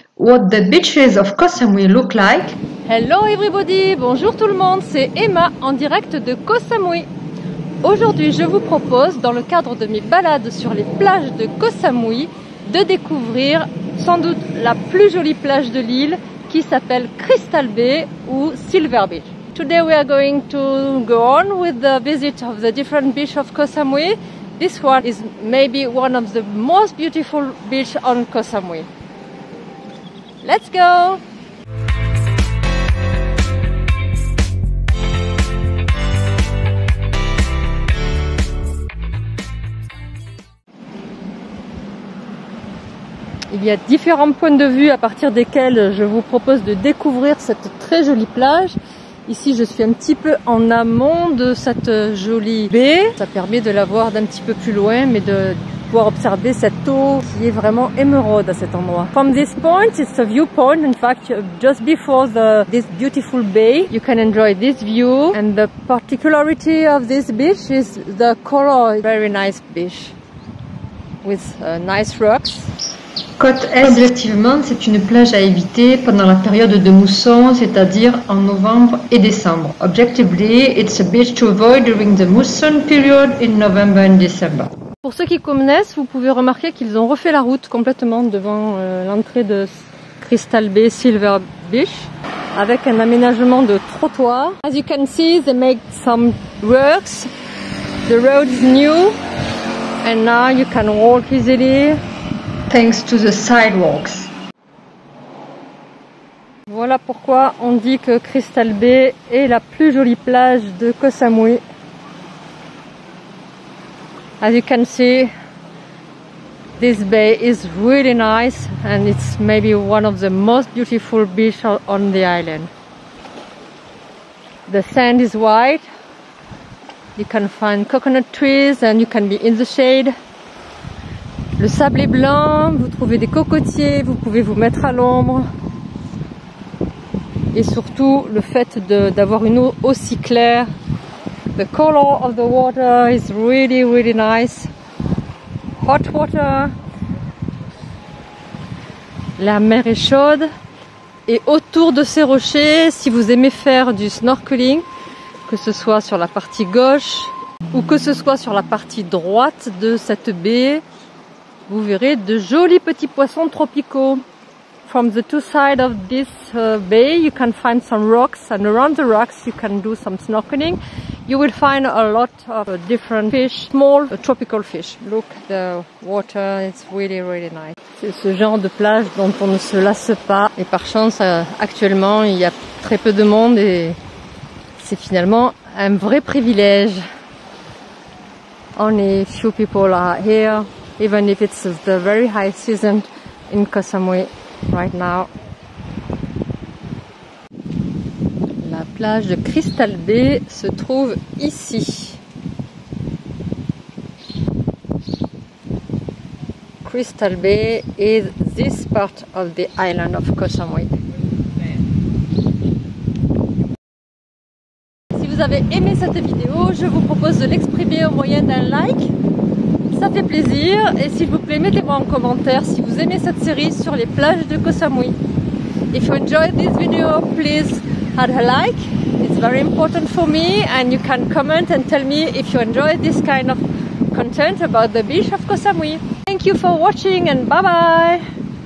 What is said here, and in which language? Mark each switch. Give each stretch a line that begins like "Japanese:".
English: What the beaches of Koh Samui look like? Hello everybody!
French: Bonjour tout le monde, c'est Emma en direct de Koh Samui. Aujourd'hui, je vous propose, dans le cadre de mes balades sur les plages de Koh Samui, de découvrir sans doute la plus jolie plage de l'île qui s'appelle Crystal Bay ou Silver Beach.
English: Today we are going to go on with the visit of the different beach of Koh Samui. This one is maybe one of the most beautiful beach on Koh Samui. Let's go!
French: Il y a différents points de vue à partir desquels je vous propose de découvrir cette très jolie plage. Ici, je suis un petit peu en amont de cette jolie baie. Ça permet de la voir d'un petit peu plus loin, mais de pouvoir observer cette eau qui est vraiment émeraude à cet endroit.
English: From this point, it's a viewpoint. In fact, just before this beautiful bay, you can enjoy this view. And the particularity of this beach is the color. Very nice beach with nice rocks.
French: Côte est, objectivement, c'est une plage à éviter pendant la période de mousson, c'est-à-dire en novembre et décembre.
English: Objectively, it's a beach to avoid during the mousson period in November and December.
French: Pour ceux qui connaissent, vous pouvez remarquer qu'ils ont refait la route complètement devant l'entrée de Crystal Bay, Silver Beach, avec un aménagement de trottoir.
English: As you can see, they make some works. The road is new, and now you can walk easily. Thanks to the sidewalks.
French: Voilà pourquoi on dit que Crystal Bay est la plus jolie plage de Koh Samui.
English: As you can see, this bay is really nice and it's maybe one of the most beautiful beaches on the island. The sand is white. You can find coconut trees and you can be in the shade.
French: Le sable est blanc, vous trouvez des cocotiers, vous pouvez vous mettre à l'ombre. Et surtout, le fait d'avoir une eau aussi claire.
English: The color of the water is really, really nice. Hot water.
French: La mer est chaude. Et autour de ces rochers, si vous aimez faire du snorkeling, que ce soit sur la partie gauche ou que ce soit sur la partie droite de cette baie, vous verrez de jolis petits poissons tropicaux.
English: From the two sides of this bay, you can find some rocks and around the rocks you can do some snorkeling. You will find a lot of different fish, small tropical fish. Look, the water is really, really nice.
French: C'est ce genre de plage dont on ne se lasse pas. Et par chance, actuellement, il y a très peu de monde et c'est finalement un vrai privilège.
English: Only few people are here. Even if it's the very high season in Koh Samui right now.
French: La plage de Crystal Bay se trouve ici.
English: Crystal Bay is this part of the island of Koh Samui.
French: Si vous avez aimé cette vidéo, je vous propose de l'exprimer au moyen d'un like. Ça fait plaisir et s'il vous plaît, mettez-moi en commentaire si vous aimez cette série sur les plages de Koh Samui.
English: If you enjoyed this video, please add a like. It's very important for me and you can comment and tell me if you enjoyed this kind of content about the beach of Koh Samui. Thank you for watching and bye bye.